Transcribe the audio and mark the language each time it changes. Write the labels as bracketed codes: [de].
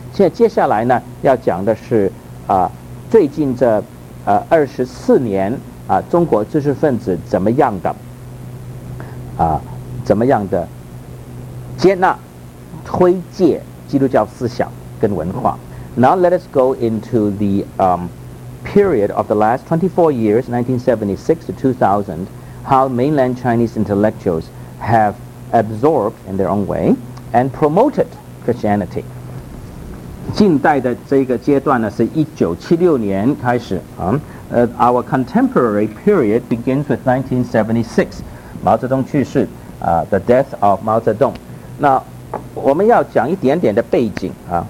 [zh] 现在接下来呢要讲的是、最近这24年、中国知识分子怎么样的、怎么样的接纳推介基督教思想跟文化。 [en] Now let us go into the、period of the last 24 years, 1976 to 2000, how mainland Chinese intellectuals have absorbed in their own way. And promoted Christianity. [zh] 近代的这个阶段呢，是1976年开始啊。 [en] Our contemporary period begins with 1976, [zh] 毛泽东去世啊、， [en] the death of Mao Zedong. [zh] 那我们要讲一点点的背景啊。